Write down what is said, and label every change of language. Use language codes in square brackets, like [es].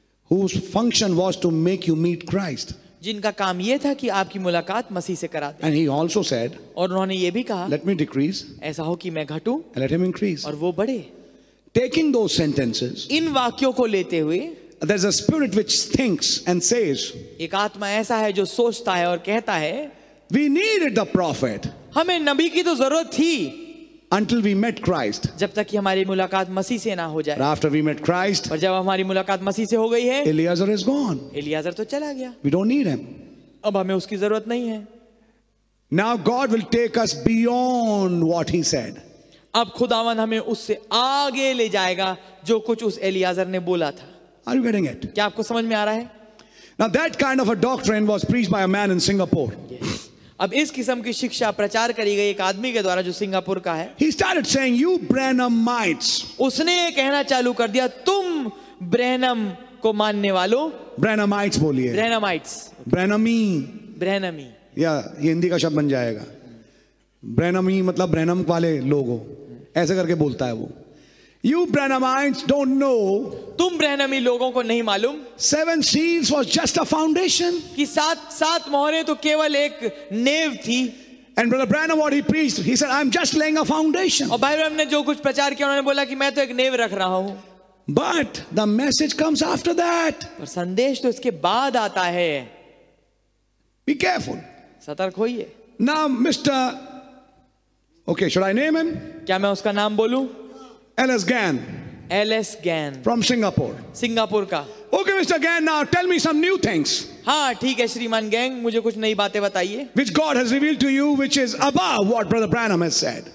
[en] Whose function was to make you meet Christ. [hi] जिनका काम ये था कि आपकी मुलाकात मसीह से करा दे. [en] And he also said. [hi] और उन्होंने ये भी कहा. [en] Let me decrease. [hi] ऐसा हो कि मैं घटूं. [en] And let him increase. [hi] और वो बढ़े. [en] Taking those sentences. [hi] इन वाक्यों को लेते हुए. [en] There's a spirit which thinks and says. [hi] एक आत्मा ऐसा है जो सोचता है और कहता है. [en] We needed the prophet. [hi] हमें नबी की तो जरूरत थी. [en] Until we met Christ. [hi] जब तक कि हमारी मुलाकात मसीह से ना हो जाए. [en] But after we met Christ. [hi] और जब हमारी मुलाकात मसीह से हो गई है. [en] Eliezer is gone. [hi] Eliezer तो चला गया. [en] We don't need him. [hi] अब हमें उसकी जरूरत नहीं है. [en] Now God will take us beyond what He said. [hi] अब खुदावन हमें उससे आगे ले जाएगा जो कुछ उस एलियाजर ने बोला था. [en] Are you getting it? [hi] क्या आपको समझ में आ रहा है? [en] Now that kind of a doctrine was preached by a man in Singapore. [hi] अब इस किस्म की शिक्षा प्रचार करी गई एक आदमी के द्वारा जो सिंगापुर का है. [en] He started saying, "You Branhamites." [hi] उसने कहना चालू कर दिया, तुम ब्रैनम को मानने वालों. Branhamites बोलिए. Branhamites. Branhamie. Branhamie. या ये हिंदी का शब्द बन जाएगा. Branhamie मतलब ब्रैनम वाले लोगों. ऐसे करके बोलता है वो. [en] You Branhamites don't know. [hi] तुम ब्रैनमी लोगों को नहीं मालूम. [en] Seven seals was just a foundation. [hi] कि सात मोहरे तो केवल एक नेव थी. [en] And Brother Branham, what he preached, he said, "I'm just laying a foundation." [hi] और भाई ब्रैनम ने जो कुछ प्रचार किया उन्होंने बोला कि मैं तो एक नेव रख रहा हूँ. [en] But the message comes after that. [hi] पर संदेश तो इसके बाद आता है. [en] Be careful. [hi] सतर्क होइए. [en] Now, Mr. Okay, should I name him? [hi] क्या मैं उसका नाम बोलूं? [en] L.S. Gann. From Singapore. [hi] Singapore का. [en] Okay, Mr. Gann, now tell me some new things. [hi] हाँ, ठीक है, श्रीमान गैंग, मुझे कुछ नई बातें बताइए. [en] Which God has revealed to you, which is above what Brother Branham has said.